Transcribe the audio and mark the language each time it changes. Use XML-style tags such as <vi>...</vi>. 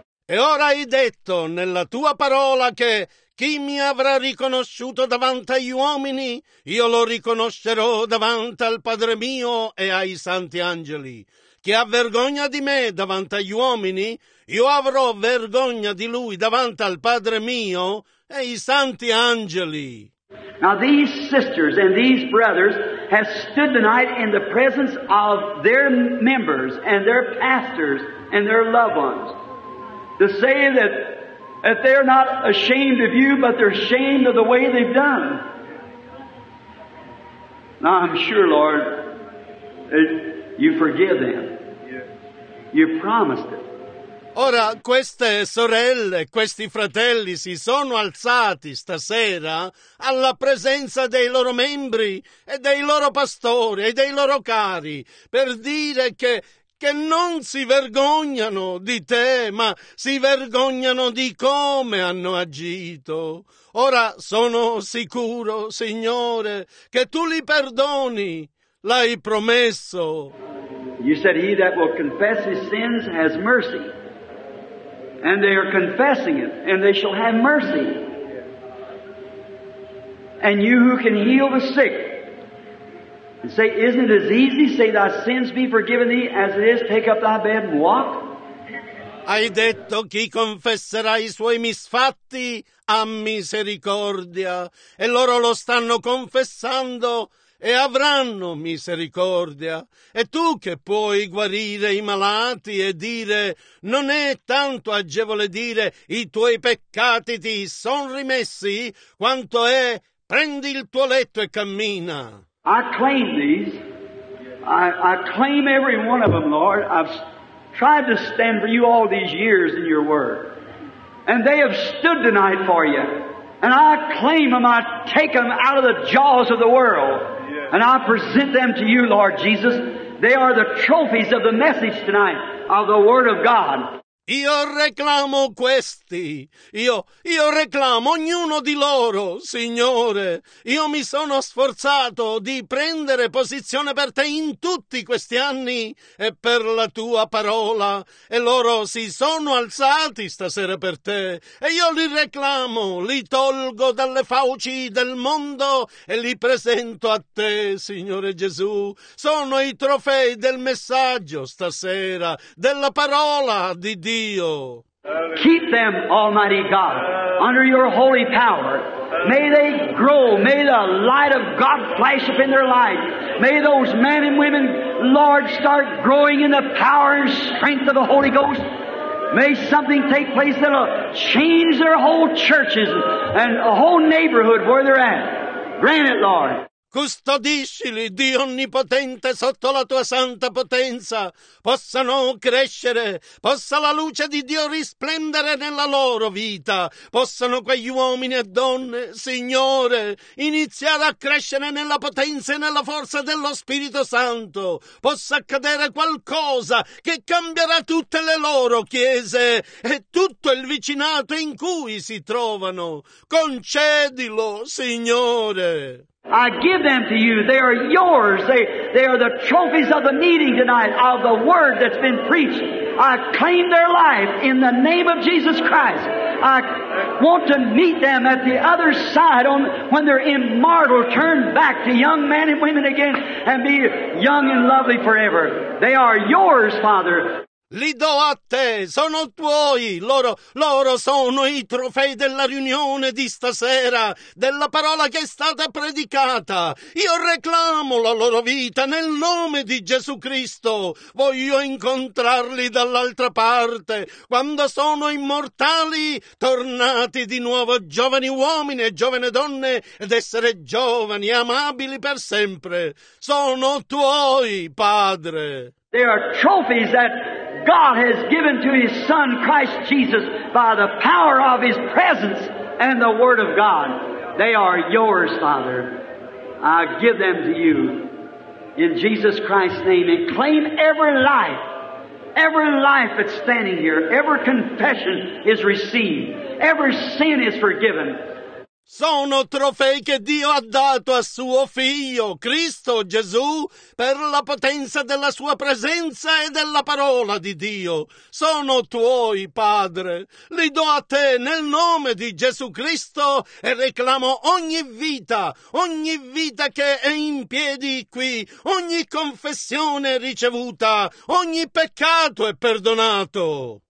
<it>E ora hai detto nella tua parola che chi mi avrà riconosciuto davanti agli uomini, io lo riconoscerò davanti al Padre mio e ai santi angeli. Chi ha vergogna di me davanti agli uomini, io avrò vergogna di lui davanti al Padre mio e i santi angeli.</it> <en>Now these sisters and these brothers have stood tonight in the presence of their members and their pastors and their loved ones to say that they're not ashamed of you, but they're ashamed of the way they've done. Now I'm sure, Lord, that you forgive them. You promised it.</en> <it>Ora queste sorelle, questi fratelli si sono alzati stasera alla presenza dei loro membri e dei loro pastori e dei loro cari per dire che non si vergognano di te, ma si vergognano di come hanno agito. Ora sono sicuro, Signore, che tu li perdoni. L'hai promesso.</it> <en>You said he that will confess his sins has mercy. And they are confessing it, and they shall have mercy. And you who can heal the sick, and say, isn't it as easy, say, thy sins be forgiven thee, as it is, take up thy bed and walk?</en> <it>Hai detto, chi confesserà i suoi misfatti ha misericordia. E loro lo stanno confessando e avranno misericordia. E tu che puoi guarire i malati e dire, non è tanto agevole dire i tuoi peccati ti son rimessi, quanto è prendi il tuo letto e cammina.</it> <en>I claim these. I claim every one of them, Lord. I've tried to stand for you all these years in your word. And they have stood tonight for you. And I claim them, I take them out of the jaws of the world. And I present them to you, Lord Jesus. They are the trophies of the message tonight, of the Word of God.</en> <it>Io reclamo questi. Io reclamo ognuno di loro, Signore. Io mi sono sforzato di prendere posizione per te in tutti questi anni e per la tua parola. E loro si sono alzati stasera per te. E io li reclamo, li tolgo dalle fauci del mondo e li presento a te, Signore Gesù. Sono i trofei del messaggio stasera, della parola di Dio.</it> <en>Keep them, Almighty God, under your holy power. May they grow. May the light of God flash up in their life. May those men and women, Lord, start growing in the power and strength of the Holy Ghost. May something take place that'll change their whole churches and a whole neighborhood where they're at. Grant it, Lord.</en> <it>Custodiscili, Dio onnipotente, sotto la tua santa potenza, possano crescere, possa la luce di Dio risplendere nella loro vita, possano quegli uomini e donne, Signore, iniziare a crescere nella potenza e nella forza dello Spirito Santo, possa accadere qualcosa che cambierà tutte le loro chiese e tutto il vicinato in cui si trovano. Concedilo, Signore.</it> <en>I give them to you. They are yours. They are the trophies of the meeting tonight, of the word that's been preached. I claim their life in the name of Jesus Christ. I want to meet them at the other side on when they're immortal, turn back to young men and women again and be young and lovely forever. They are yours, Father.</en> <it>Li do a te, sono tuoi, loro sono i trofei della riunione di stasera, della parola che è stata predicata. Io reclamo la loro vita nel nome di Gesù Cristo. Voglio incontrarli dall'altra parte, quando sono immortali, tornati di nuovo giovani uomini e giovani donne, ed essere giovani e amabili per sempre. Sono tuoi, Padre.</it> <en>They are trophies that God has given to His Son, Christ Jesus, by the power of His presence and the Word of God. They are yours, Father. I give them to you in Jesus Christ's name, and claim every life that's standing here, every confession is received, every sin is forgiven.</en> <it>Sono trofei che Dio ha dato a suo figlio, Cristo Gesù, per la potenza della sua presenza e della parola di Dio. Sono tuoi, Padre. Li do a te nel nome di Gesù Cristo e reclamo ogni vita che è in piedi qui, ogni confessione ricevuta, ogni peccato è perdonato.</it>